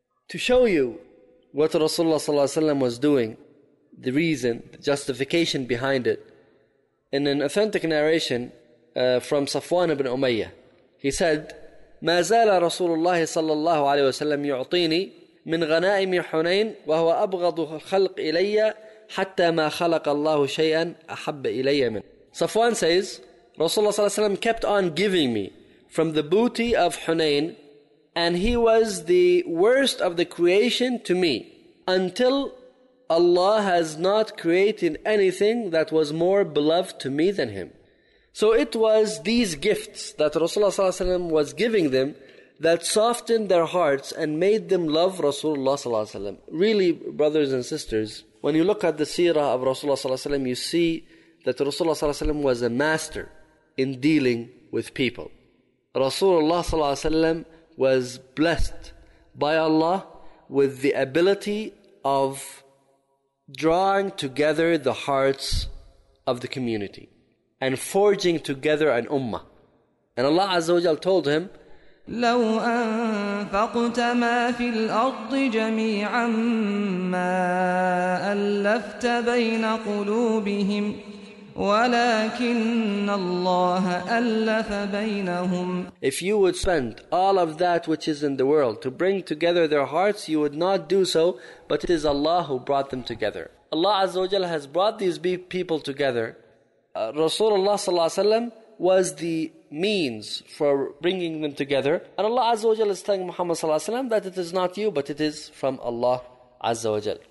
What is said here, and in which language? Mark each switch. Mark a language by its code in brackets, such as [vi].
[en] To show you what Rasulullah sallallahu alaihi wasallam was doing, the reason, the justification behind it, in an authentic narration from Safwan ibn Umayyah, he said, [ar] "Ma zala Rasulullah sallallahu alaihi wasallam yu'tini من غنائم حنين وهو أبغض الخلق إلي حتى ما خلق الله شيئا أحب إلي منه. [en] Safwan says, Rasulullah صلى الله عليه وسلم kept on giving me from the booty of Hunayn, and he was the worst of the creation to me until Allah has not created anything that was more beloved to me than him. So it was these gifts that Rasulullah صلى الله عليه وسلم was giving them that softened their hearts and made them love Rasulullah صلى الله عليه وسلم. Really, brothers and sisters, when you look at the seerah of Rasulullah صلى الله عليه وسلم, you see that Rasulullah صلى الله عليه وسلم was a master in dealing with people. Rasulullah صلى الله عليه وسلم was blessed by Allah with the ability of drawing together the hearts of the community and forging together an ummah. And Allah Azza wa Jal told him, [ar] لو أنفقت ما في الأرض جميعا ما ألفت بين قلوبهم ولكن الله ألف بينهم. [en] If you would spend all of that which is in the world to bring together their hearts, you would not do so, but it is Allah who brought them together. Allah Azza wa Jal has brought these people together. Rasulullah sallallahu alaihi wasallam was the means for bringing them together, and Allah Azza wa Jal is telling Muhammad sallallahu alaihi wasallam that it is not you, but it is from Allah Azza wa Jal.